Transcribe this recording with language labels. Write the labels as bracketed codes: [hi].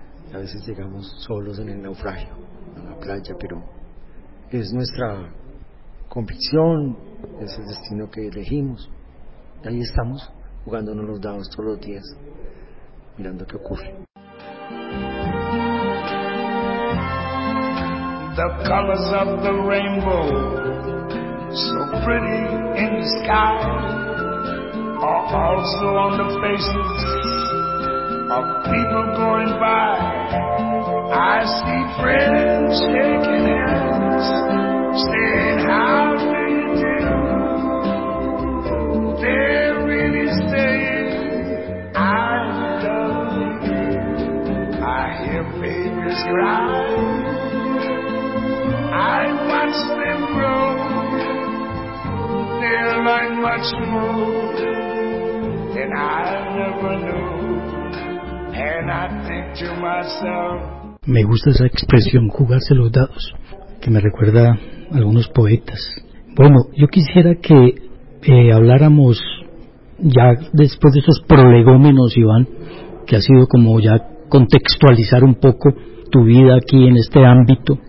[es] Y a veces llegamos solos en el naufragio, en la playa, pero es nuestra convicción, es el destino que elegimos. Y ahí estamos, jugándonos los dados todos los días, mirando qué ocurre. [en] The colors of the rainbow, so pretty in the sky, are also on the faces of people going by. I see friends shaking hands, saying, how do you do? They're really saying, I love you. I hear babies cry. I watch them grow, they learn much more than I ever knew, and I think to myself. [es] Me gusta esa expresión, jugarse los dados, que me recuerda a algunos poetas. Bueno, yo quisiera que habláramos ya después de esos prolegómenos, Iván, que ha sido como ya contextualizar un poco tu vida aquí en este ámbito.